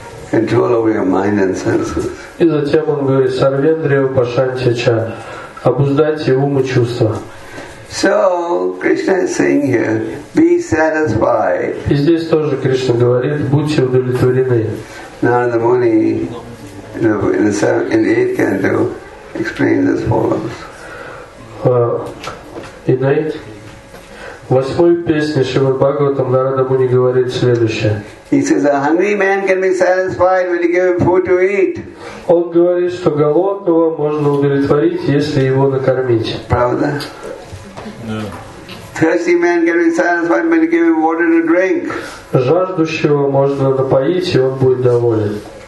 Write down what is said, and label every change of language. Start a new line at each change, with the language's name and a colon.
English: Control over your mind and senses.
Russian: И затем он говорит, сарвендрия упашанчича, обуздайте ум и чувства.
English: So Krishna is saying here, be satisfied.
Russian: И здесь тоже Кришна говорит, будьте удовлетворены.
English: Narada Muni in the eighth canto explains as follows.
Russian: В восьмой песне Шримад Бхагаватам Нарада Муни говорит следующее.
English: He says, a hungry man can be satisfied when you give him food to eat.
Russian: Он говорит, что голодного можно удовлетворить, если его накормить. Правда?
English: Yeah. Thirsty man can be satisfied when you give him water to drink.
Russian: Жаждущего можно напоить, и он будет доволен.